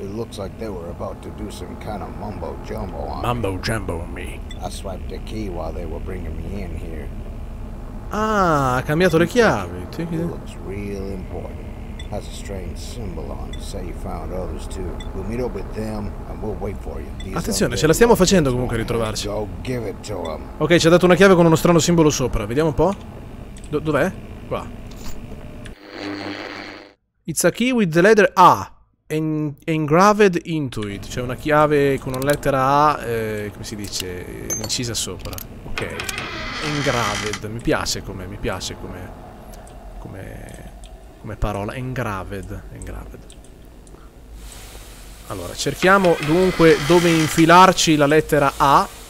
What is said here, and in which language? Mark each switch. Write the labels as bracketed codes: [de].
[en] It looks like they were about to do some kind of mumbo jumbo on me. Mumbo jumbo on me. I swiped the key while they were bringing me in here. [it] Ah, ha cambiato le chiavi. [en] It looks real important. Has a strange symbol on. Say you found others too. We'll meet up with them and we'll wait for you. [it] Attenzione, ce la stiamo facendo comunque a ritrovarci. [en] Go give it to them. [it] Ok, ci ha dato una chiave con uno strano simbolo sopra. Vediamo un po'. Dov'è? Qua. [en] It's a key with the letter A engraved into it. [it] Cioè una chiave con una lettera A, come si dice, incisa sopra. Ok. Engraved. Mi piace come come parola, engraved. Allora, cerchiamo dunque dove infilarci la lettera A.